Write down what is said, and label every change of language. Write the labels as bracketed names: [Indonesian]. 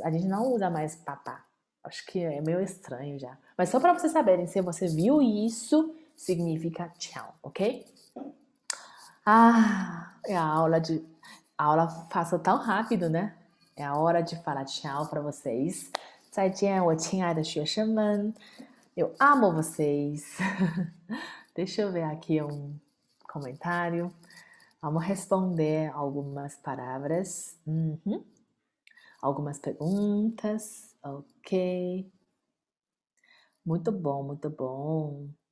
[Portuguese] A gente não usa mais papá. Acho que é meio estranho já. Mas só para vocês saberem, se você viu isso, significa tchau, ok? Ah, é a aula passou tão rápido, né? É a hora de falar tchau para vocês. [Chinese] 再见，我亲爱的学生们， [Portuguese] Eu amo vocês. Deixa eu ver aqui comentário. Vamos responder algumas palavras. Algumas perguntas. Ok. Muito bom, muito bom.